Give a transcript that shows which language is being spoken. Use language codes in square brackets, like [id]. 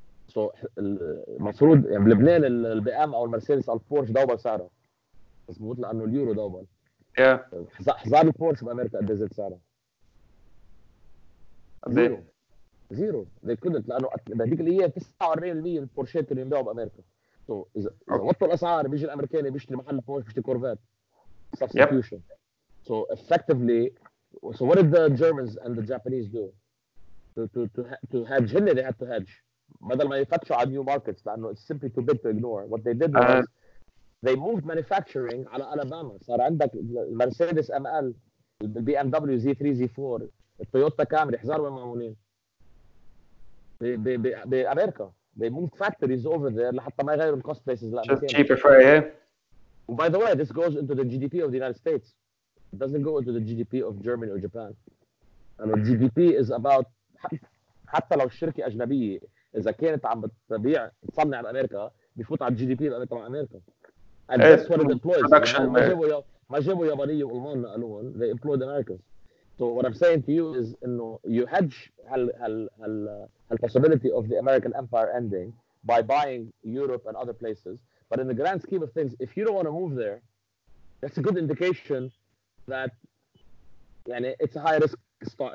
[ar] So المفروض يعني بلبنان البي ام أو المرسيدس أو البورش دوبل سعره, مضبوط, لأنه اليورو دوبل. [en] Yeah. [ar] حزار البورش بأمريكا قد زاد سعره؟ زيرو. [en] They couldn't, [ar] لأنه بهذيك الأيام 49% من البورشات اللي ينباعوا بأمريكا. So إذا وطوا الأسعار بيجي الأمريكاني بيشتري محل البورش بيشتري كورفات. [en] Substitution. Yep. So effectively, so what did the Germans and the Japanese do? To hedge, generally they had to hedge. [ar] بدل ما يفتشوا على [en] new markets, لأنه it's simply too big to ignore. What they did was they moved manufacturing على Alabama. [ar] صار عندك Mercedes ML, BMW Z3, Z4, Toyota Camry, حزار وين معمولين؟ بأمريكا. [en] They moved factories over there [ar] لحتى ما يغيروا [en] cost bases. Just cheaper for you. By the way, this goes into the GDP of the United States. It doesn't go into the GDP of Germany or Japan. And the GDP is about, [ar] حتى لو الشركة أجنبية إذا كانت عم بتبيع تصنع بأمريكا بيفوت على GDP بأمريكا مع أمريكا. [en] And that's what it employs. [ar] ما جابوا يابانية وألمان ألوان. [en] They employed Americans. So what I'm saying to you is, you hedge the possibility of the American Empire ending by buying Europe and other places. But in the grand scheme of things, if you don't want to move there, that's a good indication that, يعني, it's a high risk start.